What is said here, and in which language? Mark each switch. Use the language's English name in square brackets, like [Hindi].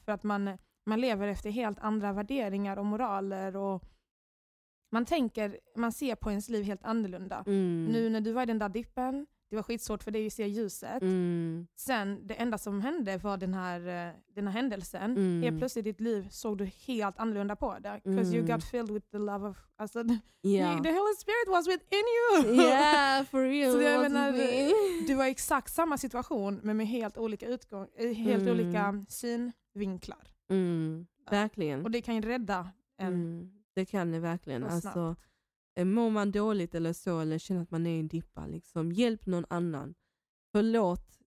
[Swedish] För att man lever efter helt andra värderingar och moraler och man ser på ens liv helt annorlunda. Nu när du var i den där dippen, det var skitsvårt för dig att se ljuset. Sen det enda som hände var den här händelsen. Helt plötsligt i ditt liv såg du helt annorlunda på det. [English] Because you got filled with the love of, alltså, the Holy Spirit was within you. Yeah, for real. [Swedish] Så jag menar, du var i exakt samma situation men med helt olika utgång, helt olika synvinklar. Verkligen. Och det kan ju rädda en. Det kan det verkligen. Alltså, mår man dåligt eller så, eller känner att man är i en dippa, liksom, hjälp någon annan. Förlåt